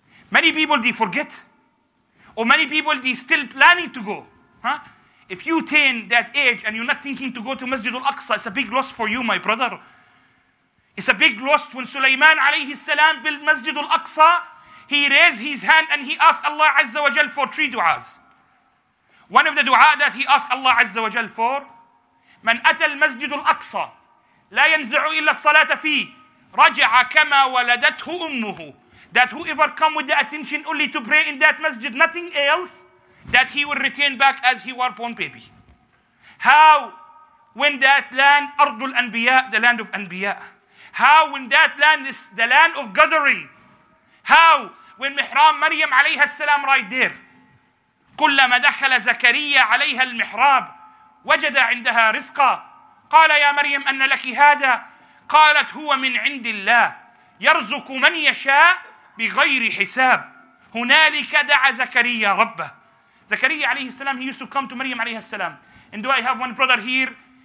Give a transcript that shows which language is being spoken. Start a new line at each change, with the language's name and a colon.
English: Many people, they forget. Or many people, they still planning to go. Huh? If you attain that age and you're not thinking to go to Masjid al-Aqsa, it's a big loss for you, my brother. It's a big loss when Sulaiman alayhi salam built Masjid al-Aqsa, he raised his hand and he asked Allah Azza wa Jal for three du'as. One of the du'a that he asked Allah Azza wa Jal for,
Arabic: من أتى المسجد الأقصى لا ينزع إلا الصلاة فيه رجع كما ولدته أمه.
English: That whoever come with the attention only to pray in that masjid, nothing else, that he will retain back as he were born baby. How? When that land,
Arabic: أرض الأنبياء,
English: the land of أنبياء. How? When that land is the land of gathering. How? When Mihram Maryam عليها السلام right there.
Arabic: كلما دخل زكريا عليها المحراب وجد عندها رزقا قال يا مريم أن لك هذا قالت هو من عند الله يرزق من يشاء بغير حساب هنالك دعا زكريا ربه.
English: زكريا عليه السلام, he used to come to Maryam عليه السلام. And do I have one brother here?